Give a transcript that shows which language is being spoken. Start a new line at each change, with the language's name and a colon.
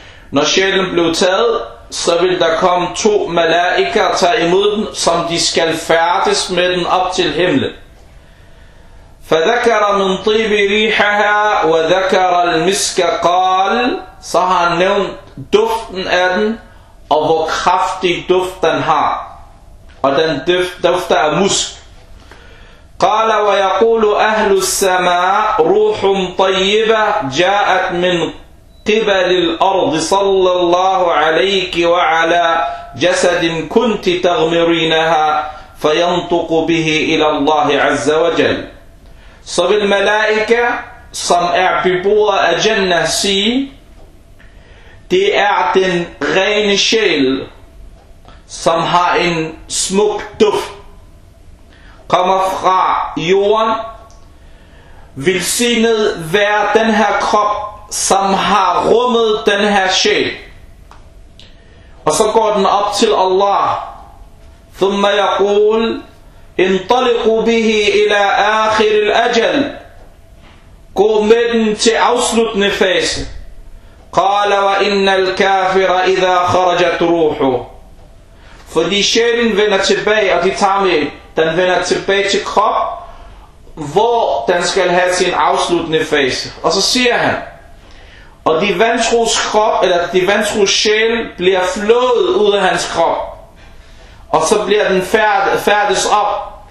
Danish: Når sjælen blev taget, så vil der komme to malaika tage imod den, som de skal færdes med den op til himlen.
Arabic: فذكر من طيب ريحها وذكر المسك قال
Danish: så har han nævnt duften af den og hvor kraftig duft den har og den dufter af musk.
Arabic: قال ويقول أهل السماء روح طيبة جاءت من قبل الأرض صلى الله عليك وعلى جسد كنت تغمرينها فينطق به إلى الله عز وجل.
Danish: Så vil malaika, som er beboet af Jannah, sige, det er den rene sjæl, som har en smuk duft, kommer fra jorden, vil sige ned hver den her krop, som har rummet den her sjæl. Og så går den op til Allah.
Arabic: ثم يقول انطلقوا به الى اخر الاجل
Danish: gå med den til afsluttende fase.
Arabic: قال وان الكافر اذا خرجت روحه,
Danish: fordi sjælen vender tilbage, og de tager med den, vender tilbage til krop, hvor den skal have sin afsluttende fase. Og så siger han, og de vantros krop, eller de vantros sjæl, bliver flået ud af hans krop, og så bliver den færdes op.